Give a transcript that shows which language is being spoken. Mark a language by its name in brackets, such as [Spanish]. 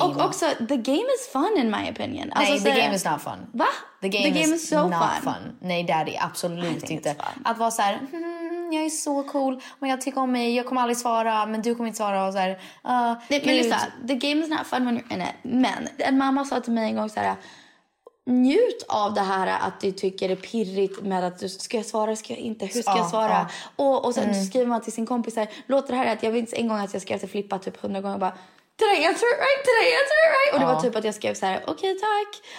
[Swedish] Och också, [English] the game is fun in my opinion. [Swedish] Nej, alltså, [English] the game is not fun. [Swedish] Va? [English] The game is so not fun. [Swedish] Nej, daddy, absolut inte. Att vara så här, jag är så cool, men jag tycker om mig, jag kommer aldrig svara, men du kommer inte svara. Och så här, men lyssna, [English] the game is not fun when you're in it. [Swedish] Men, en mamma sa till mig en gång så här, njut av det här att du tycker det är pirrigt med att du ska jag svara, ska jag inte, hur ska jag svara? Och sen skriver man till sin kompis här, låter det här att jag minns en gång att jag skrev till Flippa typ 100 gånger och bara, [English] did I answer it right? [Swedish] Och det var typ att jag skrev så här, okej, tack.